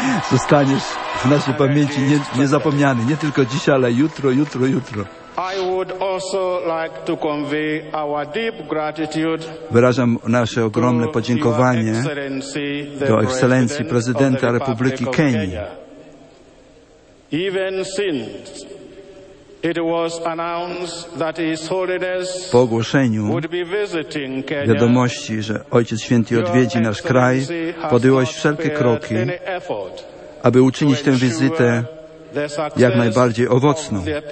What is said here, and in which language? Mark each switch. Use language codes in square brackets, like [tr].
[pl] Zostaniesz w naszej pamięci niezapomniany, nie tylko dzisiaj, ale jutro, jutro, jutro. [en] I would also like to convey our deep gratitude. [pl] Wyrażam nasze ogromne podziękowanie do Ekscelencji Prezydenta Republiki Kenii. [en] Even since it was announced that His Holiness [pl] po ogłoszeniu [en] would be visiting Kenya, [pl] wiadomości, że Ojciec Święty odwiedzi nasz kraj, podjąłeś wszelkie kroki, aby uczynić tę wizytę jak najbardziej owocną.